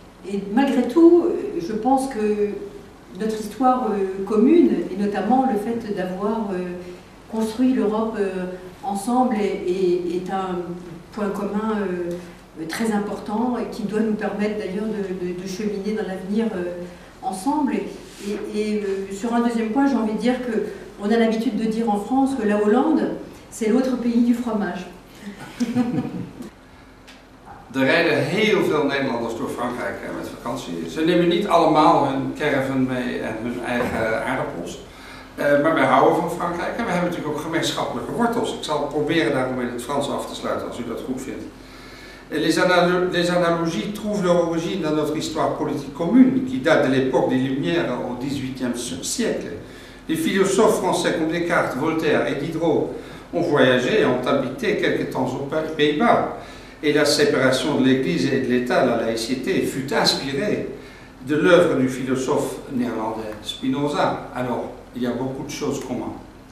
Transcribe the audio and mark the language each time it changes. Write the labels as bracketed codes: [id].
[fr] Et malgré tout, je pense que notre histoire commune, et notamment le fait d'avoir construit l'Europe ensemble, est un point commun très important et qui doit nous permettre d'ailleurs de cheminer dans l'avenir ensemble. Sur un deuxième point, j'ai envie de dire que on a l'habitude de dire en France que la Hollande, c'est l'autre pays du fromage. [nl] Er rijden heel veel Nederlanders door Frankrijk met vakantie. Ze nemen niet allemaal hun caravan mee en hun eigen aardappels. Maar wij houden van Frankrijk en we hebben natuurlijk ook gemeenschappelijke wortels. Ik zal proberen daarom in het Frans af te sluiten als u dat goed vindt. [fr] Les analogies trouvent leur origine dans notre histoire politique commune, qui date de l'époque des Lumières au XVIIIe siècle. Les philosophes français comme Descartes, Voltaire et Diderot ont voyagé et ont habité quelque temps aux Pays-Bas. Et la séparation de l'Église et de l'État, la laïcité, fut inspirée de l'œuvre du philosophe néerlandais Spinoza. Alors, il y a beaucoup de choses communes.